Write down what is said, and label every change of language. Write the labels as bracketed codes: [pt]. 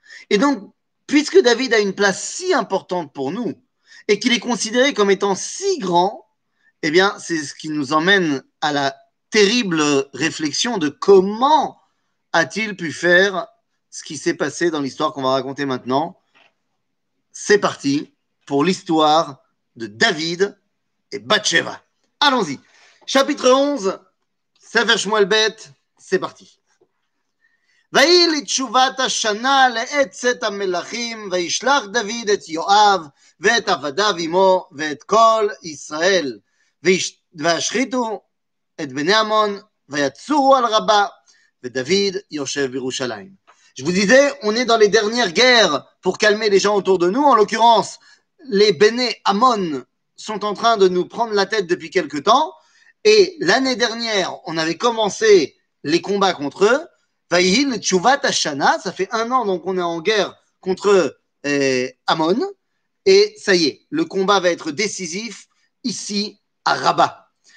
[fr] Et donc, puisque David a une place si importante pour nous et qu'il est considéré comme étant si grand, c'est ce qui nous emmène à la terrible réflexion de comment a-t-il pu faire ce qui s'est passé dans l'histoire qu'on va raconter maintenant. C'est parti pour l'histoire de David et Batsheva. Allons-y. Chapitre 11, Sefer Shmuel Bet, c'est parti. [he] ויהי לתשובת השנה לעצת המלכים, וישלח דוד את יואב ואת עבדיו עמו ואת כל ישראל, והשחיתו את בני עמון ויצורו על רבה, ודוד יושב בירושלים. [fr] Je vous disais, on est dans les dernières guerres pour calmer les gens autour de nous. En l'occurrence, les Béné Amon sont en train de nous prendre la tête depuis quelque temps. Et l'année dernière, on avait commencé les combats contre eux. [he] Vaïhil Tchuvat Hashana, [fr] ça fait un an donc on est en guerre contre Amon, et ça y est, le combat va être décisif ici à Rabat.